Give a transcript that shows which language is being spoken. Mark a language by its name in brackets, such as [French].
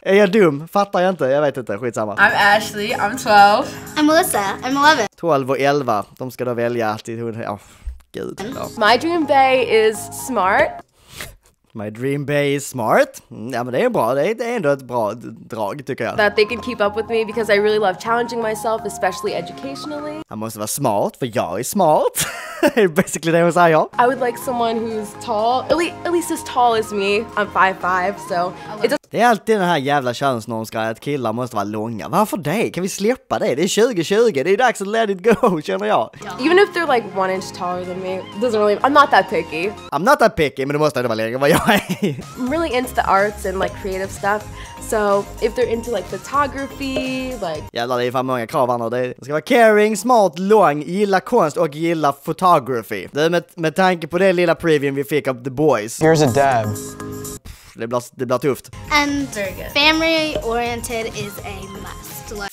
[Swedish] Är jag dum? Fattar jag inte? Jag vet inte, skitsamma. [English] I'm Ashley, I'm 12. I'm Melissa, I'm 11. [Swedish] 12 och 11, de ska då välja till hon. Ja, gud. [English] My dream bae is smart. My dream bae is smart? [Swedish] Ja, men det är bra, det är ändå ett bra drag tycker jag. [English] That they can keep up with me because I really love challenging myself, especially educationally. [Swedish] Jag måste vara smart, för jag är smart. Basically det was [English] I. I would like someone who's tall. At least as tall as me. I'm 5'5", so it's a... [Swedish] Det är alltid den här jävla könsnormsgrejen att killar måste vara långa. Varför det? Kan vi släppa det? Det är 2020. Det är dags att [English] let it go, [Swedish] känner jag. [English] Even if they're like 1 inch taller than me, doesn't really... I'm not that picky. I'm not that picky, [Swedish] men du måste inte vara längre än vad jag är. [English] I'm really into the arts and like creative stuff. So if they're into like photography, like... [Swedish] Jävlar, det är fan många krav, Anna. Det ska vara caring, smart, lång, gilla konst och gilla photography. Det är med tanke på det lilla preview vi fick av The Boys. [English] Here's a dab. [Swedish] Det blir tufft. [English] And family-oriented is a must.